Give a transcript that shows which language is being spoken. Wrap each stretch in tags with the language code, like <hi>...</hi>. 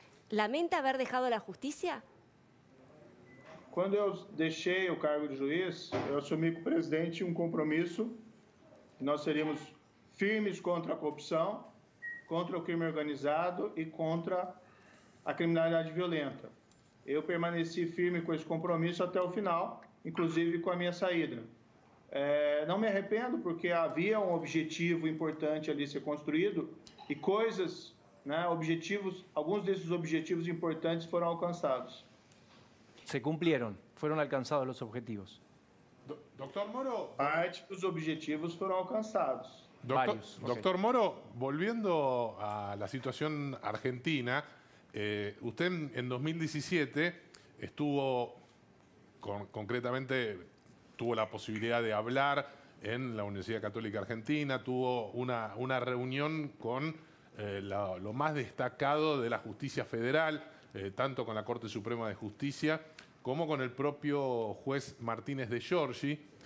<es>¿Lamenta haber dejado la justicia?</es> <pt>Quando eu deixei o cargo de juiz, eu assumi com o presidente um compromisso. Nós seríamos firmes contra a corrupção, contra o crime organizado e contra a criminalidade violenta. Eu permaneci firme com esse compromisso até o final, inclusive com a minha saída. Não me arrependo, porque havia um objetivo importante ali ser construído e coisas, né, objetivos, alguns desses objetivos importantes foram alcançados.</pt> <es>Se cumplieron, fueron alcanzados los objetivos? Doctor Moro, los objetivos fueron alcanzados. Doctor Moro, volviendo a la situación argentina, usted en 2017 estuvo, concretamente, tuvo la posibilidad de hablar en la Universidad Católica Argentina, tuvo una reunión con lo más destacado de la justicia federal, tanto con la Corte Suprema de Justicia como con el propio juez Martínez de Giorgi,</es>